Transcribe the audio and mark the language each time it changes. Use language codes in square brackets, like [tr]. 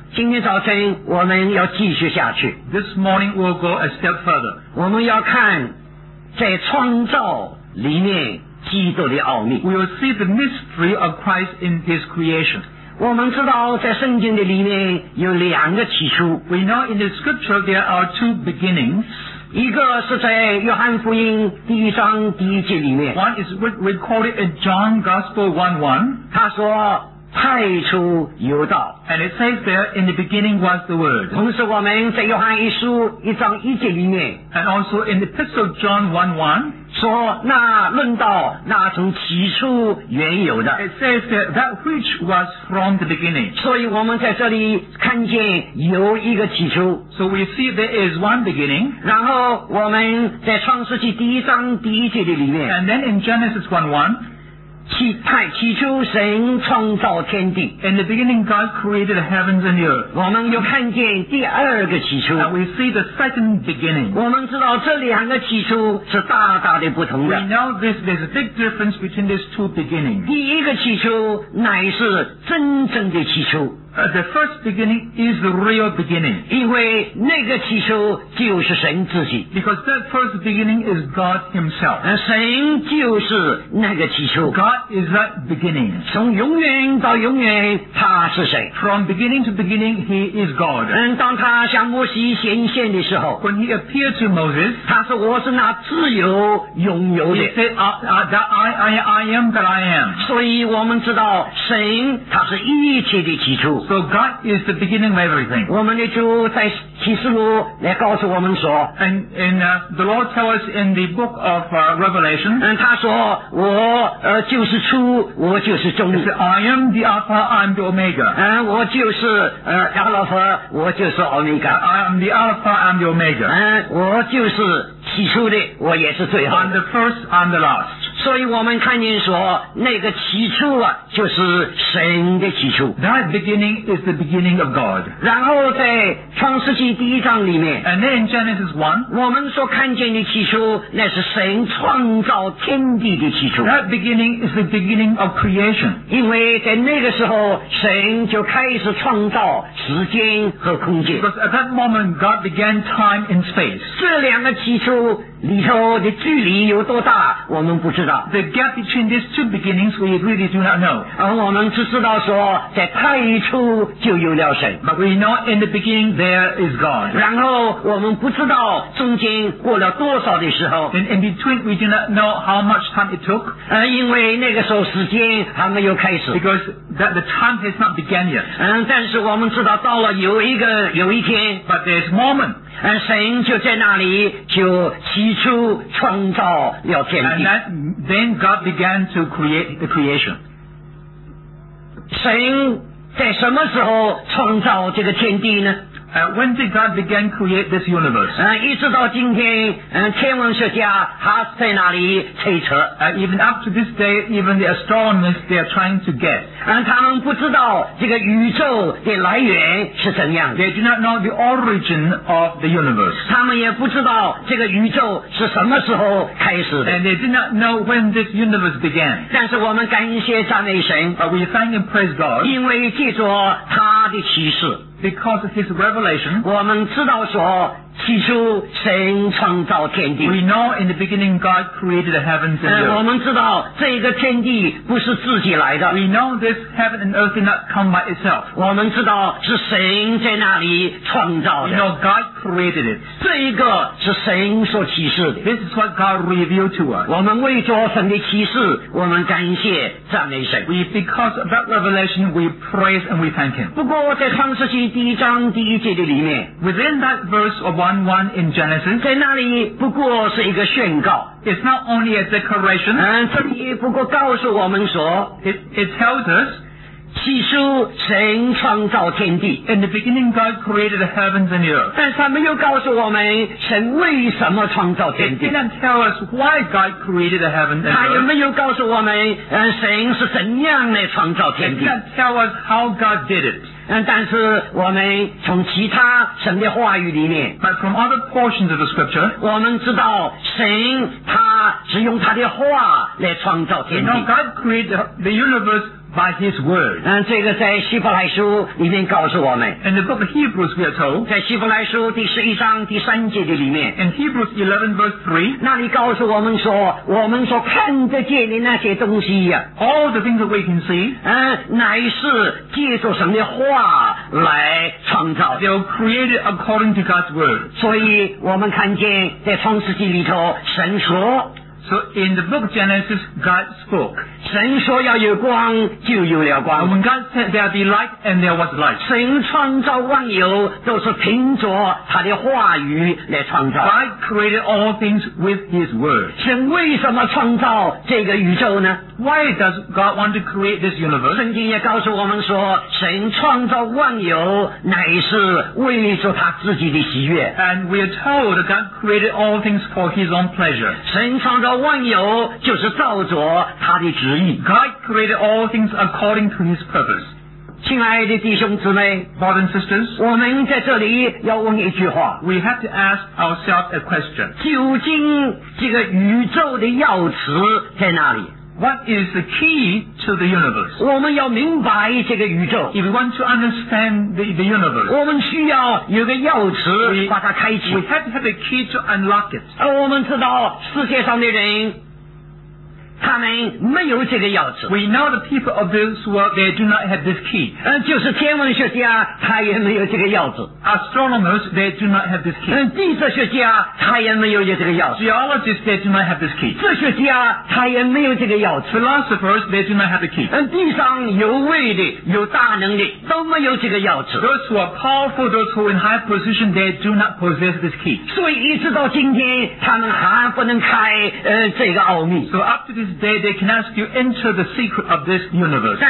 [zh] 今天早晨我们要继续下去。 [en] This morning we'll go a step further. [zh] 我们要看在创造里面基督的奥秘。 [en] We will see the mystery of Christ in his creation. [zh] 我们知道在圣经的里面有两个起初。 [en] We know in the scripture there are two beginnings. [zh] 一个是在约翰福音第一章第一节里面。 [en] One is recorded in John Gospel 1:1. [zh] 他说太初有道。 [en] And it says there, in the beginning was the Word. [zh] 同时我们在约翰一书一章一节里面。 [en] And also in the Epistle of John 1:1. [zh] 说那论道那从起初原有的。 [en] It says there, that which was from the beginning. [zh] 所以我们在这里看见有一个起初。 [en] So we see there is one beginning. [zh] 然后我们在创世纪第一章第一节的里面。 [en] And then in Genesis 1:1. [zh] 起初神创造天地。 [en] In the beginning God created the heavens and the earth. [zh] 我们又看见第二个起初。 [en] And we see the second beginning. [zh] 我们知道这两个起初是大大的不同的。 [en] We know there's a big difference between these two beginnings. [zh] 第一个起初乃是真正的起初。 [en] The first beginning is the real beginning. [zh] 因为那个起初就是神自己。 [en] Because that first beginning is God himself. [zh] 神就是那个起初。 [en] God is that beginning. [zh] 从永远到永远他是谁。 [en] From beginning to beginning, he is God. [zh] 当他向摩西显现的时候。 [en] When he appeared to Moses, [zh] 他说我是那自由拥有的。 [en] He said, I am that I am. [zh] 所以我们知道神他是一切的基础。 [en] So God is the beginning of everything. [zh] 我们的主在启示录来告诉我们说。 [en] And the Lord tells us in the book of Revelation. [zh] 他说我就是初，我就是终。 [en] He said, I am the Alpha, I am the Omega. [zh] 我就是亚拉夫，我就是 Omega. [en] I am the Alpha, I am the Omega. [zh] 我就是起初的，我也是最后。 [en] I'm the first, I'm the last. [zh] 所以我们看见说那个起初啊就是神的起初。 [en] That beginning is the beginning of God. [zh] 然后在创世纪第一章里面。 [en] And then in Genesis 1, [zh] 我们所看见的起初那是神创造天地的起初。 [en] That beginning is the beginning of creation. [zh] 因为在那个时候神就开始创造时间和空间。 [en] Because at that moment, God began time and space. [zh] 这两个起初里头的距离有多大我们不知道。 [en] The gap between these two beginnings we really do not know. [zh] 而我们只知道说在太初就有了神。 [en] But we know in the beginning there is God. [zh] 然后我们不知道中间过了多少的时候。 [en] And in between we do not know how much time it took. [zh] 因为那个时候时间还没有开始。 [en] Because that the time has not begun yet. [zh] 但是我们知道到了有一天。 [en] But there's a moment. [zh] 神就在那里就起初创造了天地。 [en] And that, then God began to create the creation. [zh] 神在什么时候创造这个天地呢？ [en] When did God begin to create this universe? [zh] 一直到今天，天文学家还在那里猜测。 [en] Even up to this day, even the astronomers they are trying to guess. [zh] 他们不知道这个宇宙的来源是怎样。 [en] They do not know the origin of the universe. [zh] 他们也不知道这个宇宙是什么时候开始的。 [en] And they did not know when this universe began. [zh] 但是我们感谢赞美神。 [en] But we thank and praise God. [zh] 因为借着他的启示。 [en] Because of his revelation, [zh] 我们知道说起初神创造天地。 [en] We know in the beginning God created the heavens and earth. [zh] 我们知道这个天地不是自己来的。 [en] We know this heaven and earth did not come by itself. [zh] 我们知道是神在那里创造的。 [en] We know God created it. [zh] 这一个是神所启示的。 [en] This is what God revealed to us. [zh] 我们为着神的启示，我们感谢赞美神。 [en] We because of that revelation, we praise and we thank Him. [zh] 不过在创世纪第一章第一节的里面 [en] ，within that verse of one in Genesis, [zh] 在那里不过是一个宣告。 [en] It's not only a declaration. [zh] 这里不过告诉我们说 [en] ，It tells us, [zh] 起初神创造天地。 [en] In the beginning, God created the heavens and the earth. [zh] 但是他没有告诉我们神为什么创造天地。 [en] It didn't tell us why God created the heavens and the earth. [zh] 他也没有告诉我们神是怎样来创造天地。 [en] It didn't tell us how God did it. [zh] 但是我们从其他神的话语里面 [en] But from other portions of the scripture [zh] 我们知道神他只用他的话来创造天地 [en] You know, God created the universe by his word [zh] 这个在希伯来书里面告诉我们 [en] In the book of Hebrews we are told [zh] 在希伯来书第十一章第三节的里面 [en] In Hebrews 11 verse 3 [zh] 那里告诉我们说我们所看得见的那些东西 [en] All the things that we can see [zh] 乃是借着神的话来创造 [en] They were created according to God's word [zh] 所以我们看见在创世纪里头神说 [en] So in the book of Genesis, God spoke. [zh] 神说要有光，就有了光。 [en] When God said there be light, and there was light. [zh] 神创造万有，都是凭着他的话语来创造。 [en] God created all things with his word. [zh] 神为什么创造这个宇宙呢？ [en] Why does God want to create this universe? [zh] 圣经也告诉我们说，神创造万有，乃是为着他自己的喜悦。 [en] And we are told that God created all things for his own pleasure. [zh] 神创造万有就是照着他的旨意。 [en] God created all things according to his purpose. [zh] 亲爱的弟兄姊妹 [en] Brothers and sisters, [zh] 我们在这里要问一句话。 [en] We have to ask ourselves a question. [zh] 究竟这个宇宙的钥匙在哪里？ [en] What is the key to the universe? [zh] 我们要明白这个宇宙。 [en] If we want to understand the universe, [zh] 我们需要有个钥匙把它开启。 [en] We have to have a key to unlock it. [zh] 而我们知道世界上的人他们没有这个钥匙。 [en] We know the people of this world, they do not have this key. [zh] 就是天文学家，他也没有这个钥匙。 [en] Astronomers, they do not have this key. [zh] 地质学家，他也没有这个钥匙。 [en] Geologists, they do not have this key. [zh] 哲学家，他也没有这个钥匙。 [en] Philosophers, they do not have the key. [zh] 地上有位的，有大能的，都没有这个钥匙。 [en] Those who are powerful, those who are in high position, they do not possess this key. [zh] 所以一直到今天，他们还不能开这个奥秘。 [en] So up to this day, they can ask you enter the secret of this universe.